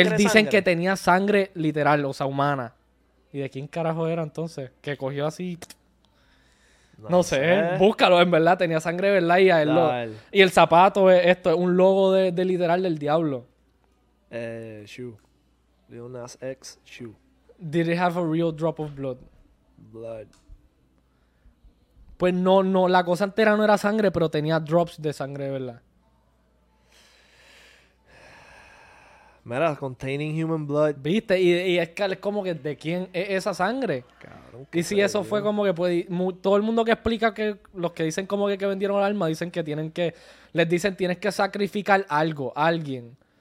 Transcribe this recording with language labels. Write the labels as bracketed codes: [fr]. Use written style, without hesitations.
[es] Él dicen que tenía sangre literal, o sea, humana. ¿Y de quién carajo era entonces? Que cogió así... No sé. Búscalo, en verdad. Tenía sangre, ¿verdad? Y a él y el zapato, esto, es un logo de literal del diablo. [en] Shoe. Lil Nas X, shoe. Did it have a real drop of blood? Blood. [es] Pues no. La cosa entera no era sangre, pero tenía drops de sangre, ¿verdad? [en] Mira, containing human blood. [es] ¿Viste? Y es que es como que, ¿de quién es esa sangre? Cabrón, y si eso fue como que, pues, todo el mundo que explica que, los que dicen como que vendieron el alma, dicen que tienen que, les dicen, tienes que sacrificar algo, alguien.